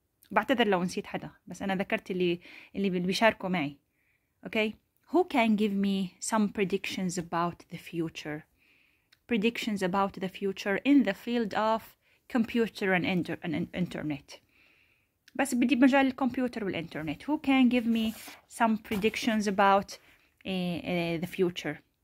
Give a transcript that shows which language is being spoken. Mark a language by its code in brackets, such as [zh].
[ar] بعتذر لو نسيت حدا, بس أنا ذكرت اللي بيشاركوا معي. [en] Okay? Who can give me some predictions about the future? Predictions about the future in the field of computer and internet. [ar] بس بدي مجال الكمبيوتر والإنترنت. [en] Who can give me some predictions about the future?